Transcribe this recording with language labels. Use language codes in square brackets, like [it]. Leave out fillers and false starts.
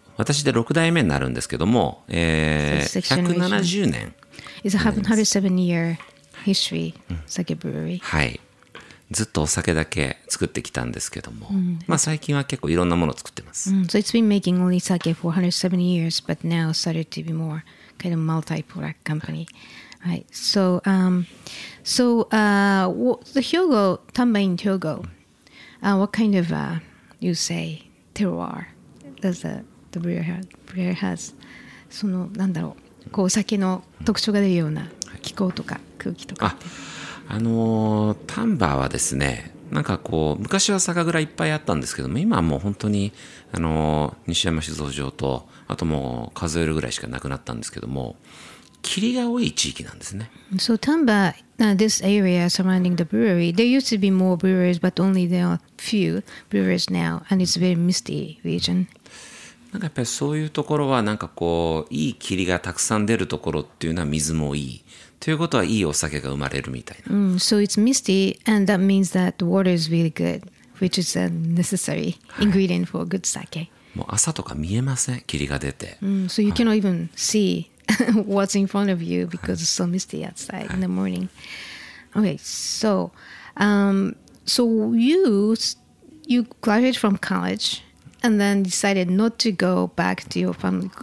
[ja] 私で6代目になるんですけども、170年。 [en] It's a 170-year history, sake brewery. [ja] はい。ずっとお酒だけ作ってきたんですけども、まあ最近は結構いろんなものを作ってます。 [en] So it's been making only sake for 170 years, but now started to be more... kind of multi-product company, right? So, the Hyogo, Tamba in Hyogo, what kind of, you say, terroir does the beer has? [ja] そのなんだろう、こうお酒の特徴が出るような気候とか空気とかって。あ、あのタンバはですね、なんかこう昔は酒蔵いっぱいあったんですけども、今はもう本当に西山酒造場とあともう数えるぐらいしかなくなったんですけども、霧が多い地域なんですね。 [en] So Tamba, this area surrounding the brewery, there used to be more breweries, but only there are few breweries now, and it's a very misty region. [ja] なんかやっぱりそういうところはなんかこういい霧がたくさん出るところっていうのは水もいいということは、いいお酒が生まれるみたいな。 [en] Mm, so it's misty, and that means that the water is really good, which is a necessary ingredient for good sake. [ja] もう朝とか見えません、霧が出て。 [en] Mm, so you cannot even see what's in front of you because it's so misty outside in the morning. Okay, so, so you graduated from college and then decided not to go back to your family.